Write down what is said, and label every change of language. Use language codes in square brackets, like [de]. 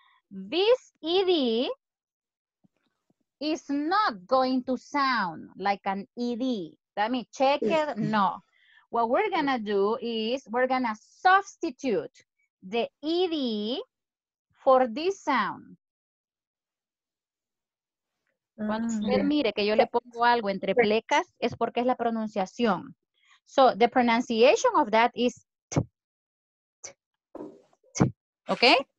[en] This ED is not going to sound like an ED. That means check it, no. What we're gonna do is we're gonna substitute the ED for this sound. [es] Cuando usted mire que yo le pongo algo entre plecas, es porque es la pronunciación. [en] So, the pronunciation of that is t, t, t, okay?